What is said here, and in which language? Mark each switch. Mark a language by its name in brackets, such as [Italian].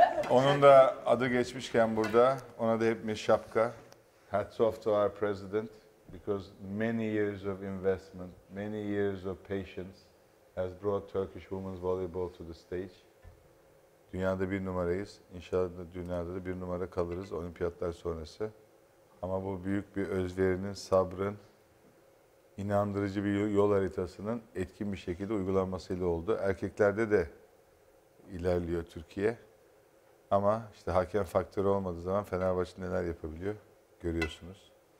[Turkish] Onun da adı geçmişken burada, ona da hepimiz şapka. [English] Hats off to our president because many years of investment, many years of patience has brought Turkish women's volleyball to the stage. [Turkish] Dünyada bir numarayız. İnşallah da dünyada da bir numara kalırız olimpiyatlar sonrası. Ama bu büyük bir özverinin, sabrın, inandırıcı bir yol haritasının etkin bir şekilde uygulanmasıyla oldu. Erkeklerde de ilerliyor Türkiye. Ama işte hakem faktörü olmadığı zaman Fenerbahçe neler yapabiliyor görüyorsunuz.